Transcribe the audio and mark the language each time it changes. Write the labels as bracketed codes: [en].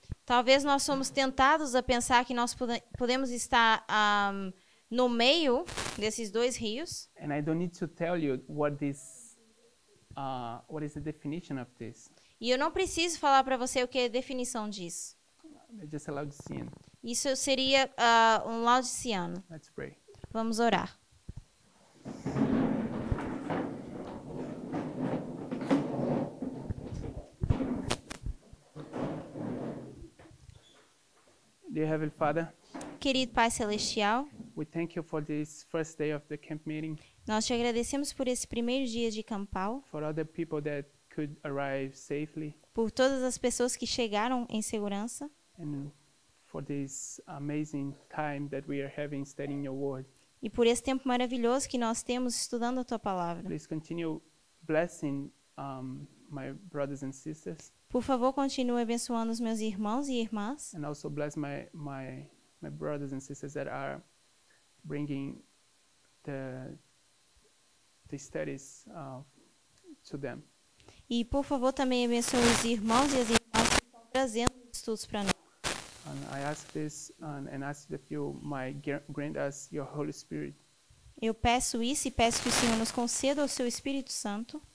[pt] Talvez nós somos tentados a pensar que nós podemos estar no meio desses dois rios. [en] And I don't need to tell you what is the definition of this. [pt] E eu não preciso falar para você o que é a definição disso. [en] Just a Laodicean. [pt] Isso seria Laodiciano. [en] Let's pray. [pt] Vamos orar. [en] Dear Heavenly Father. [pt] Querido Pai Celestial. [en] We thank you for this first day of the camp meeting. [pt] Nós te agradecemos por esse primeiro dia de campal. [en] For other people that could arrive safely. [pt] Por todas as pessoas que chegaram em segurança. [en] And for this amazing time that we are having studying your word. [pt] E por esse tempo maravilhoso que nós temos estudando a tua palavra. [en] Please continue blessing my brothers and sisters. [pt] Por favor, continue abençoando os meus irmãos e irmãs. [en] And also bless my brothers and sisters that are bringing the studies to them. [pt] E por favor, também abençoe os irmãos e as irmãs que estão trazendo os estudos para nós. [en] And I ask this and ask that you might grant us your Holy Spirit. [pt] Eu peço isso e peço que o Senhor nos conceda o seu Espírito Santo.